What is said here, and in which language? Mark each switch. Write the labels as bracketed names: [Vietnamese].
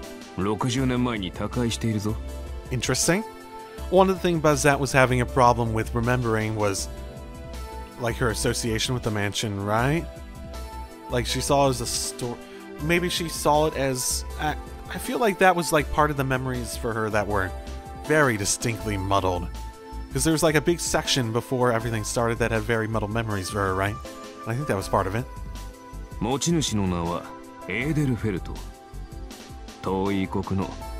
[Japanese] そうそう。この洋館の持ち主だがな、60年前に他界しているぞ。 [English] Interesting. One of the things Bazette was having a problem with remembering was, like, her association with the mansion, right? Like, she saw it as a story. Maybe she saw it as... I feel like that was, like, part of the memories for her that were very distinctly muddled. Because there was, like, a big section before everything started that had very muddled memories for her, right? And I think that was part of it. [Japanese] 持ち主の名はエーデルフェルト。遠い異国の...